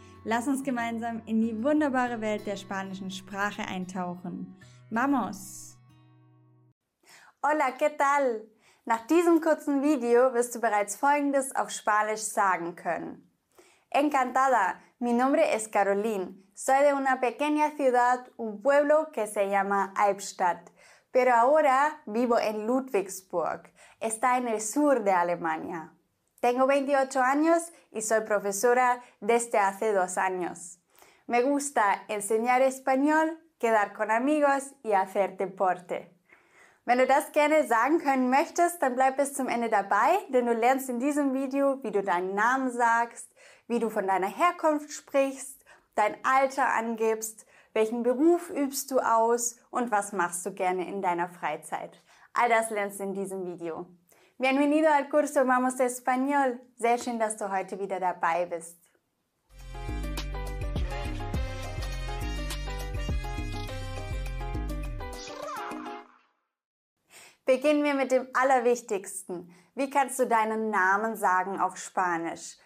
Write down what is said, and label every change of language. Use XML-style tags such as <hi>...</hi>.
<de>Lass uns gemeinsam in die wunderbare Welt der spanischen Sprache eintauchen. ¡Vamos!</de> <es>Hola, ¿qué tal?</es> <de>Nach diesem kurzen Video wirst du bereits Folgendes auf Spanisch sagen können.</de> <es>Encantada, mi nombre es Caroline. Soy de una pequeña ciudad, un pueblo que se llama Albstadt. Pero ahora vivo en Ludwigsburg. Está en el sur de Alemania. Tengo 28 años y soy profesora desde hace 2 años. Me gusta enseñar español, quedar con amigos y hacer deporte.</es> <de>Wenn du das gerne sagen können möchtest, dann bleib bis zum Ende dabei, denn du lernst in diesem Video, wie du deinen Namen sagst, wie du von deiner Herkunft sprichst, dein Alter angibst, welchen Beruf übst du aus und was machst du gerne in deiner Freizeit. All das lernst du in diesem Video.</de> <es>Bienvenido al curso Vamos Español.</es> <de>Sehr schön, dass du heute wieder dabei bist. Beginnen wir mit dem Allerwichtigsten. Wie kannst du deinen Namen sagen auf Spanisch?</de>